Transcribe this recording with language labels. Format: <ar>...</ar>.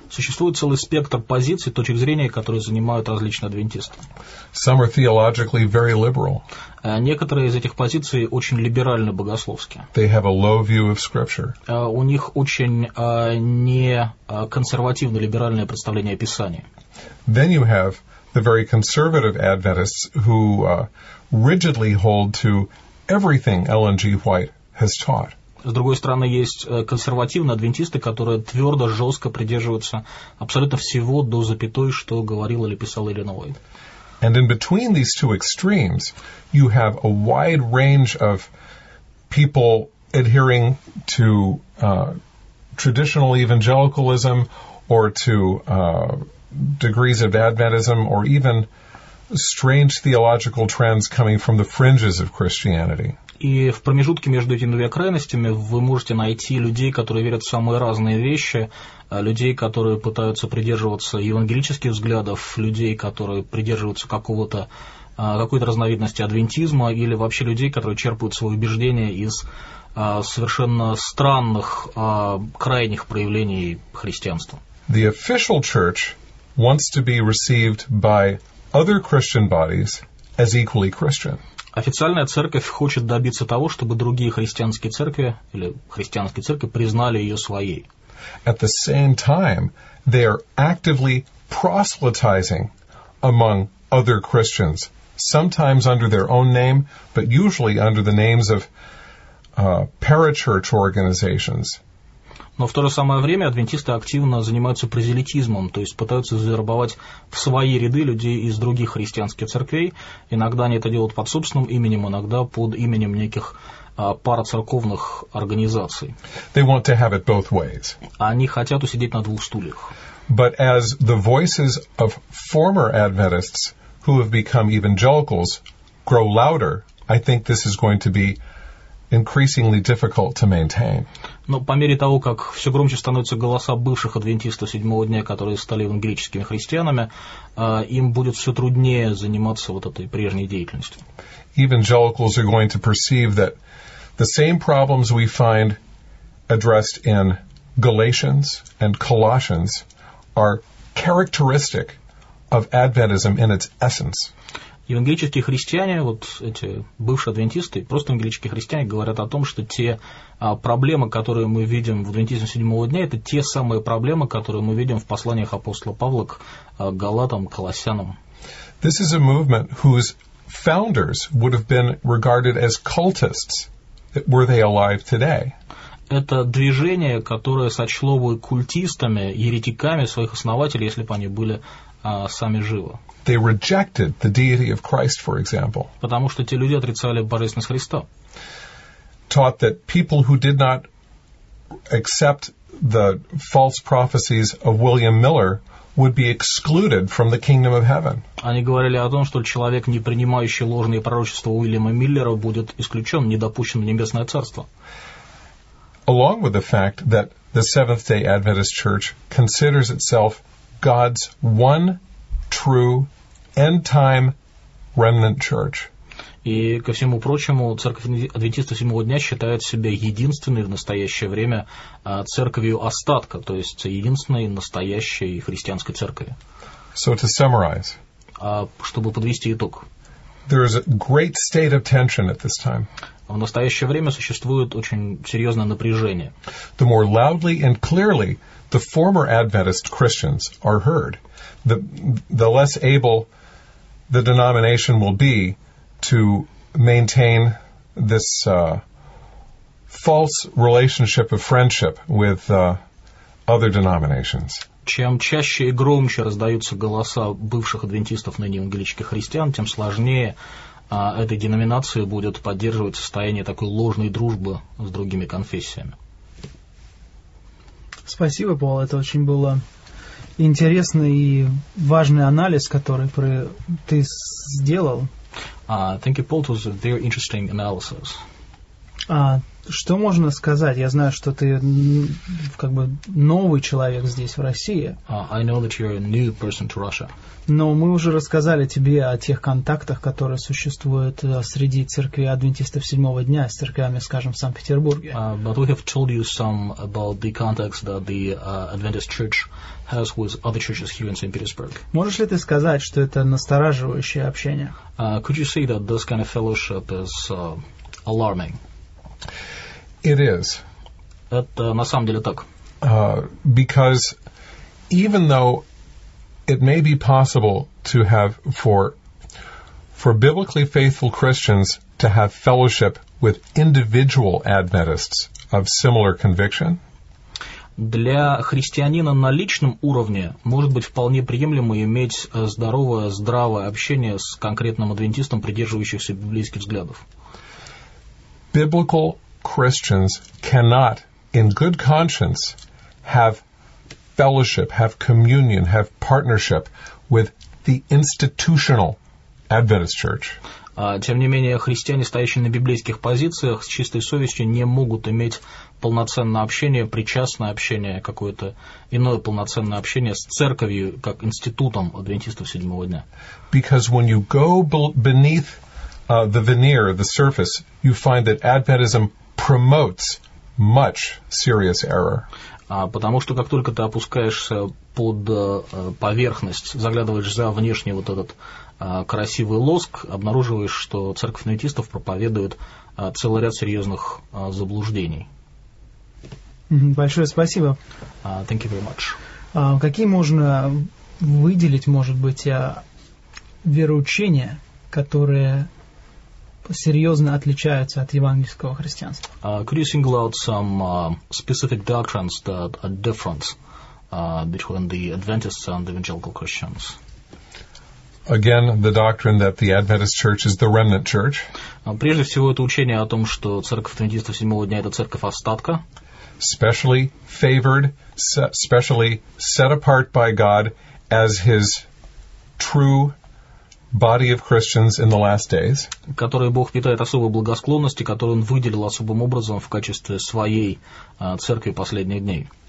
<ru>Существует целый спектр позиций, точек зрения, которые занимают различные адвентисты.</ru> <en>Some are theologically very liberal.</en> <ru>Некоторые из этих позиций очень либерально-богословские.</ru> <en>They have a low view of Scripture.</en> <ru>У них очень неконсервативное либеральное представление о Писании.</ru> <en>Then you have the very conservative Adventists who rigidly hold to everything Ellen G. White has taught.</en> <ru>С другой стороны, есть консервативные адвентисты, которые твердо, жестко придерживаются абсолютно всего до запятой, что говорил или писал Эллен Уайт.</ru> <en>And in between these two extremes, you have a wide range of people adhering to traditional evangelicalism or to degrees of Adventism or even strange theological trends coming from the fringes of Christianity.</en> <ru>И в промежутке между этими двумя крайностями вы можете найти людей, которые верят в самые разные вещи, людей, которые пытаются придерживаться евангелических взглядов, людей, которые придерживаются какого-то какой-то разновидности адвентизма или вообще людей, которые черпают свои убеждения из совершенно странных крайних проявлений христианства.</ru> <en>The official church wants to be received by other Christian bodies as equally Christian.</en> <ru>Официальная церковь хочет добиться того, чтобы другие христианские церкви или христианские церкви признали ее своей.</ru> <en>At the same time, they are actively proselytizing among other Christians, sometimes under their own name, but usually under the names of parachurch organizations.</en> <ru>Но в то же самое время адвентисты активно занимаются прозелитизмом, то есть пытаются завербовать в свои ряды людей из других христианских церквей. Иногда они это делают под собственным именем, иногда под именем неких парацерковных организаций.</ru> <en>They want to have it both ways.</en> <ru>Они хотят усидеть на двух стульях.</ru> <en>But as the voices of former Adventists who have become evangelicals grow louder, I think this is going to be increasingly difficult to maintain.</en> <ru>Но по мере того, как все громче становятся голоса бывших адвентистов седьмого дня, которые стали евангелическими христианами, им будет все труднее заниматься вот этой прежней деятельностью.</ru> <en>Evangelicals are going to perceive that the same problems we find addressed in Galatians and Colossians are characteristic of Adventism in its essence.</en> <ru>Евангелические христиане, вот эти бывшие адвентисты, просто евангелические христиане говорят о том, что те проблемы, которые мы видим в адвентизме седьмого дня, это те самые проблемы, которые мы видим в посланиях апостола Павла к Галатам, Колоссянам.</ru> <en>This is a movement whose founders would have been regarded as cultists, were they alive today.</en> <ru>Это движение, которое сочло бы культистами, еретиками своих основателей, если бы они были сами живы.</ru> <en>They rejected the deity of Christ, for example.</en> <ru>Потому что те люди отрицали божественность Христа.</ru> <en>Taught that people who did not accept the false prophecies of William Miller would be excluded from the kingdom of heaven.</en> <ru>Они говорили о том, что человек, не принимающий ложные пророчества Уильяма Миллера, будет исключен, недопущен в небесное царство.</ru> <en>Along with the fact that the Seventh-day Adventist Church considers itself God's one true end-time remnant church.</en> <ru>И, ко всему прочему, церковь адвентистов седьмого дня считает себя единственной в настоящее время церковью остатка, то есть единственной настоящей христианской церкви.</ru> <en>So to summarize.</en> <ru>Чтобы подвести итог.</ru> <en>There is a great state of tension at this time.</en> <ru>В настоящее время существует очень серьезное напряжение.</ru> <en>The more loudly and clearly the former Adventist Christians are heard, the less able the denomination will be to maintain this false relationship of friendship with other denominations.</en> <ru>Чем чаще и громче раздаются голоса бывших адвентистов, ныне евангелических христиан, тем сложнее этой деноминации будет поддерживать состояние такой ложной дружбы с другими конфессиями. Спасибо, Пол. Это очень был интересный и важный анализ, который ты сделал.</ru> <en>Thank you, Paul. It was a very interesting analysis.</en> <ru>Что можно сказать? Я знаю, что ты как бы новый человек здесь, в России.</ru> <en>I know that you're a new person to Russia.</en> <ru>Но мы уже рассказали тебе о тех контактах, которые существуют среди церкви адвентистов седьмого дня с церквями, скажем, в Санкт-Петербурге.</ru> <en>But we have told you some about the contacts that the Adventist Church has with other churches here in St. Petersburg.</en> <ru>Можешь ли ты сказать, что это настораживающее общение?</ru> <en>Could you say that this kind of fellowship is alarming? It is.</en> <ru>Это на самом деле так.</ru> <en>Because even though it may be possible to have for biblically faithful Christians to have fellowship with individual Adventists of similar conviction,</en> <ru>для христианина на личном уровне может быть вполне приемлемо иметь здравое общение с конкретным адвентистом, придерживающимся библейских взглядов.</ru> <en>Biblical Christians cannot, in good conscience, have fellowship, have communion, have partnership with the institutional Adventist Church.</en> <ru>Тем не менее, христиане, стоящие на библейских позициях, с чистой совестью не могут иметь полноценное общение, причастное общение, какое-то иное полноценное общение с церковью, как институтом адвентистов седьмого дня.</ru> <en>Because when you go beneath the veneer, the surface, you find that Adventism promotes much serious error.</en> <ru>Потому что как только ты опускаешься под поверхность, заглядываешь за внешний вот этот красивый лоск, обнаруживаешь, что церковь адвентистов проповедует целый ряд серьезных заблуждений. Большое спасибо.</ru> <en>Thank you very much.</en> <ru>Какие можно выделить, может быть, вероучения, которые серьезно отличаются от евангельского христианства?</ru> <en>Could you single out some specific doctrines that are different between the Adventists and the evangelical Christians? Again, the doctrine that the Adventist Church is the remnant church.</en> <ru>Прежде всего, это учение о том, что церковь адвентистов седьмого дня – это церковь остатка.</ru> <en>Specially favored, specially set apart by God as His true body of Christians in the last days.</en> <ru>Которой Бог питает особую благосклонность, и которую Он выделил особым образом в качестве своей церкви последних дней.</ru>